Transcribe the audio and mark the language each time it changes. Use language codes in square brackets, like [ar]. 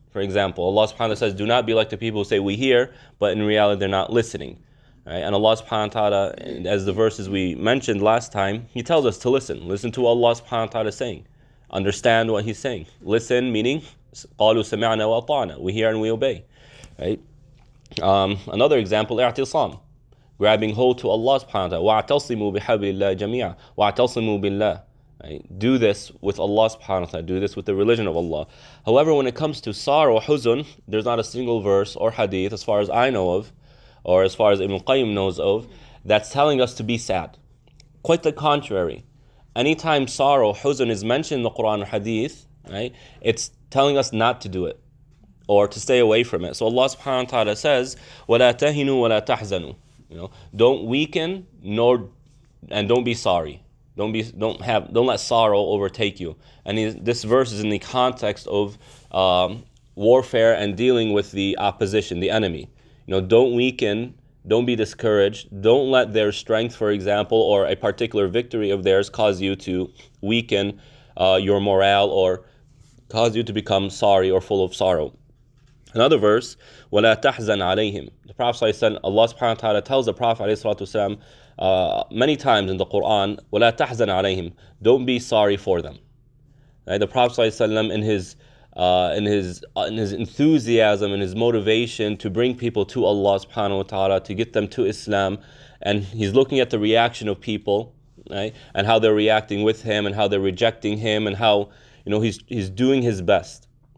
[en] For example, Allah subhanahu wa ta'ala says, do not be like the people who say, we hear, but in reality they're not listening. Right? And Allah subhanahu wa ta'ala, as the verses we mentioned last time, He tells us to listen. Listen to what Allah subhanahu wa ta'ala is saying. Understand what He's saying. Listen, meaning, [ar] قَالُوا سَمِعْنَا وَأَطَعْنَا. [en] We hear and we obey. Right? Another example, اعتصام. Grabbing hold to Allah subhanahu wa ta'ala. [ar] وَاعْتَصِمُوا بِحَبْلِ اللَّهِ جَمِيعًا. وَاعْتَصِمُوا بِاللَّهِ. [en] Right? Do this with Allah subhanahu wa ta'ala. Do this with the religion of Allah. However, when it comes to sorrow, huzun, there's not a single verse or hadith, as far as I know of, or as far as Ibn Qayyim knows of, that's telling us to be sad. Quite the contrary. Anytime sorrow, huzun, is mentioned in the Quran or hadith, right, it's telling us not to do it or to stay away from it. So Allah subhanahu wa ta'ala says, [ar] وَلَا تَهِنُوا وَلَا تَحْزَنُوا. [en] You know, don't weaken nor and don't be sorry. Don't let sorrow overtake you. And this verse is in the context of warfare and dealing with the opposition, the enemy. You know, don't weaken, don't be discouraged, don't let their strength, for example, or a particular victory of theirs cause you to weaken your morale or cause you to become sorry or full of sorrow. Another verse, [ar] وَلَا تَحْزَنْ عَلَيْهِمْ. [en] The Prophet ﷺ, Allah subhanahu wa ta'ala tells the Prophet ﷺ many times in the Quran, [ar] وَلَا تَحْزَنْ عَلَيْهِمْ. [en] Don't be sorry for them. Right? The Prophet ﷺ, in his enthusiasm and his motivation to bring people to Allah subhanahu wa ta'ala, to get them to Islam, and he's looking at the reaction of people, right, and how they're reacting with him and how they're rejecting him and how, you know, he's doing his best.